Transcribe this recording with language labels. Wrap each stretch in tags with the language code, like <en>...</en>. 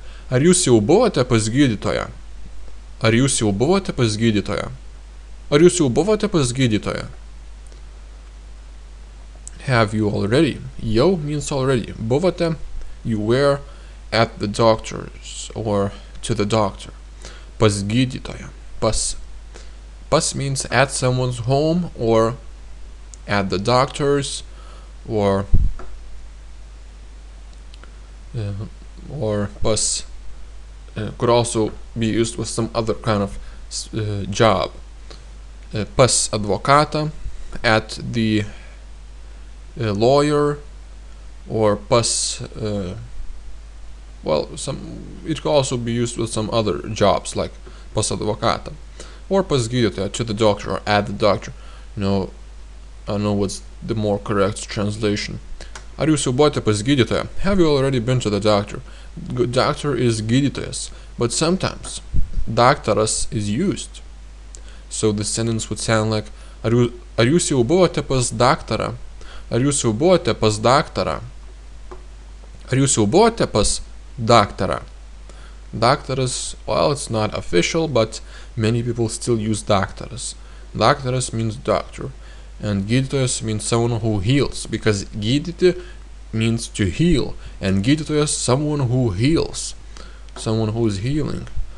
<lt>Ar jūs jau buvote pas gydytoją? Ar jūs jau buvote pas gydytoją? Ar jūs jau buvote pas gydytoją?</lt> <en>Have you already? Jau means already. Buvote, you were at the doctor's or to the doctor.</en> <lt>Pas gydytoją.</lt> <en>Pas means at someone's home or at the doctor's or pas. Could also be used with some other kind of job.</en> <lt>Pas advokatą,</lt> <en>at the lawyer, or pas, well, some. It could also be used with some other jobs, like</en> <lt>pas advokatą,</lt> <en>or</en> <lt>pas gydytoją,</lt> <en>to the doctor, or at the doctor. You know, I don't know what's the more correct translation.</en> <lt>Ar jūs jau buvote pas gydytoją?</lt> <en>Have you already been to the doctor? Doctor is gydytojas. But sometimes, daktaras is used. So the sentence would sound like,</en> <lt>ar jūs jau buvote pas daktarą? Ar jūs jau buvote pas daktarą? Ar jūs jau buvote pas daktarą?</lt> <en>Daktaras, well, it's not official, but many people still use daktaras. Daktaras means doctor, and gydytojas means someone who heals, because gydyti means to heal, and gydytojas, someone who heals, someone who is healing.</en>